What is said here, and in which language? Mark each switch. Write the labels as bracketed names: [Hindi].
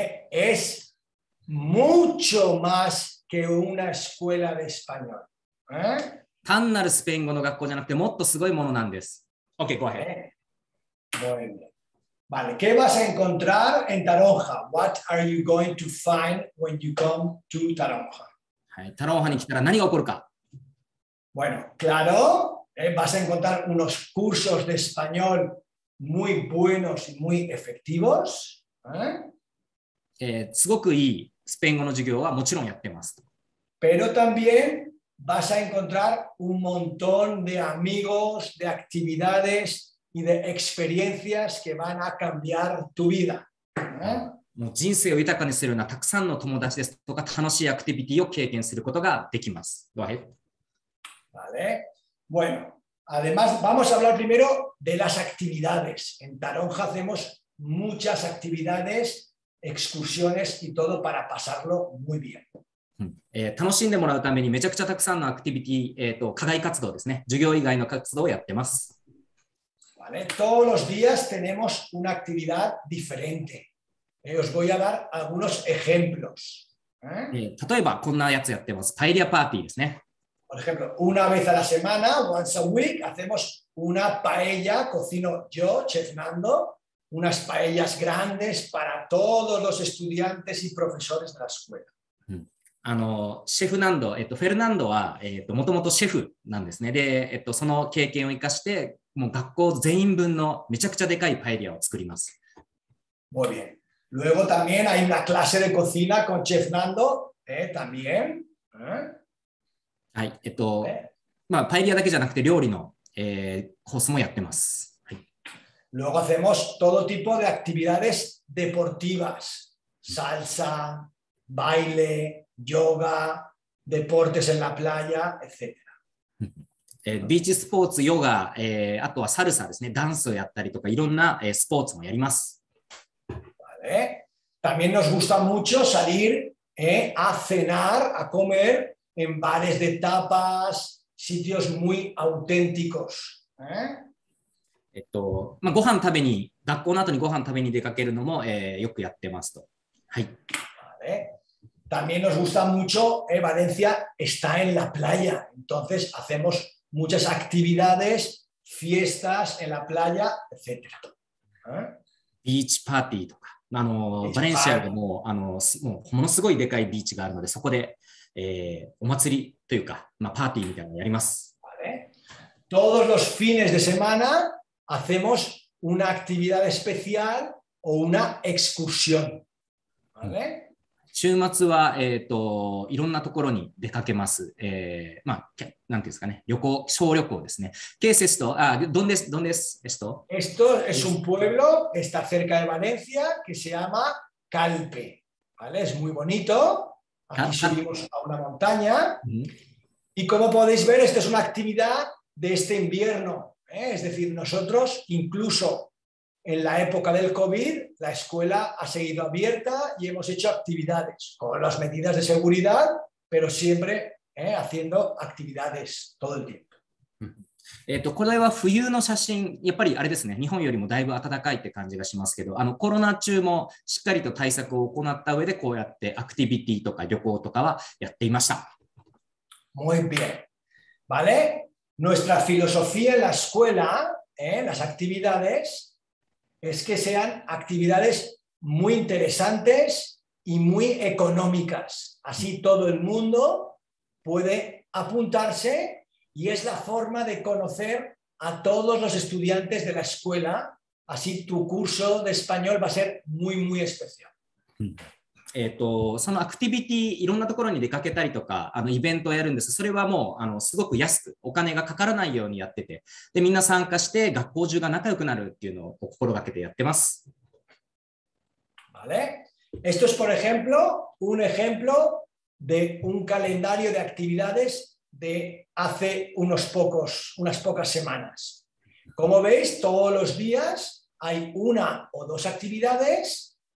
[Spanish] Es mucho más que una escuela de español. [Japanese] 単なるスペイン語の学校じゃなくて、もっとすごいものなんです。 [English] OK, go ahead. [Spanish] Muy bien. Vale, ¿qué vas a encontrar en Taronja? [English] What are you going to find when you come to Taronja? [Japanese] タロンハに来たら何が起こるか。 [Spanish] Bueno, claro, vas a encontrar unos cursos de español muy buenos y muy efectivos. [Japanese] すごくいいスペイン語の授業はもちろんやってます。 [Spanish] Pero también vas a encontrar un montón de amigos, de actividades y de experiencias que van a cambiar tu vida. [Japanese] もう人生を豊かにするようなたくさんの友達ですとか楽しいアクティビティを経験することができます。 [English] Go ahead. [Spanish] Vale. Bueno, además vamos a hablar primero de las actividades. En Taronja hacemos muchas actividades, excursiones y todo para pasarlo muy bien. [Japanese] 楽しんでもらうためにめちゃくちゃたくさんのアクティビティ、課外活動ですね、授業以外の活動をやってます。 [Spanish] ¿Vale? Todos los días tenemos una actividad diferente. Os voy a dar algunos ejemplos. [Japanese] 例えばこんなやつやってます。パエリアパーティーですね。 [Spanish] Por ejemplo, una vez a la semana, [English] once a week, [Spanish] hacemos una paella, cocino yo, Chef Nando, unas paellas grandes para todos los estudiantes y profesores de la escuela. [Japanese] シェフナンド、フェルナンドは、もともとシェフなんですね。で、その経験を生かして、もう学校全員分のめちゃくちゃでかいパエリアを作ります。 Muy bien. [Spanish] Luego también hay una clase de cocina con Chef Nando, también. [Japanese] はい、パエリアだけじゃなくて、料理の、コースもやってます。 [Spanish] Luego hacemos todo tipo de actividades deportivas, salsa, baile, yoga, deportes en la playa, etc. [Japanese] ビーチスポーツ、ヨガ、あとはサルサですね、ダンスをやったりとか、いろんな、スポーツもやります。 [Spanish] También nos gusta mucho salir a cenar, a comer en bares de tapas, sitios muy auténticos. [Japanese] ご飯食べに、学校の後にご飯食べに出かけるのも、よくやってますと。はい。 [Spanish] También nos gusta mucho Valencia está en la playa, entonces hacemos muchas actividades, fiestas en la playa, etc. [Japanese] ビーチパーティーとか、バレンシアでも、ものすごいでかいビーチがあるので、そこで、お祭りというか、パーティーみたいなのをやります。 [Spanish] Todos los fines de semana hacemos una actividad especial o una excursión. ¿Vale? [Japanese] 週末は、いろんなところに出かけます。なんていうんですかね、小旅行ですね。ケースですと、あ、どんです、どんです、エスト。 [Spanish] Esto es un pueblo que está cerca de Valencia que se llama Calpe. ¿Vale? Es muy bonito. Aquí subimos a una montaña. Y como podéis ver, esta es una actividad de este invierno, ¿eh? Es decir, nosotros, incluso en la época del COVID, la escuela ha seguido abierta y hemos hecho actividades con las medidas de seguridad, pero siempre, ¿eh?, haciendo actividades todo el tiempo. [Japanese] これは冬の写真、やっぱりあれですね、日本よりもだいぶ暖かいって感じがしますけど、コロナ中もしっかりと対策を行った上で、こうやってアクティビティとか旅行とかはやっていました。 [Spanish] Muy bien. ¿Vale? Nuestra filosofía en la escuela, ¿eh?, las actividades, es que sean actividades muy interesantes y muy económicas. Así todo el mundo puede apuntarse y es la forma de conocer a todos los estudiantes de la escuela. Así tu curso de español va a ser muy, muy especial. [Japanese] そのアクティビティ、いろんなところに出かけたりとか、イベントをやるんです。それはもう、すごく安く、お金がかからないようにやってて、で、みんな参加して、学校中が仲良くなるっていうのを心がけてやってます。 [Spanish] Vale. Esto es, por ejemplo, un ejemplo de un calendario de actividades de hace unas pocas semanas. Como veis, todos los días hay una o dos actividades.